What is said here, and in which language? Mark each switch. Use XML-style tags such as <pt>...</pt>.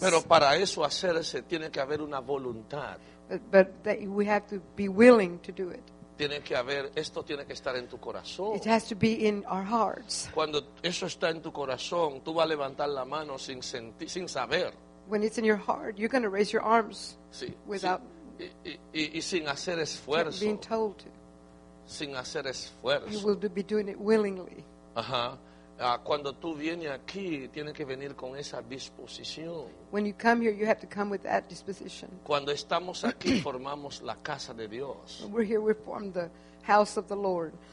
<es>Pero para eso hacerse tiene que haber una voluntad.</es> <en>But that we have to be willing to do it.</en> <es>Tiene que haber, esto tiene que estar en tu corazón.</es> <en>It has to be in our hearts.</en> <es>Cuando eso está en tu corazón, tú vas a levantar la mano sin sentir, sin saber.</es> <en>When it's in your heart, you're going to raise your arms.</en> <es>Sí,</es> <en>without.</en> <es>Sí. Y sin hacer esfuerzo.</es> <en>Being told to.</en> <es>Sin hacer esfuerzo.</es> <en>You will be doing it willingly. Ajá.</en> <es>Cuando tú vienes aquí, tienes que venir con esa disposición.</es> <en>When you come here, you have to come with that disposition.</en> <es>Cuando estamos aquí, formamos la casa de Dios.</es> <en>When we're here, we form the house of the Lord.</en>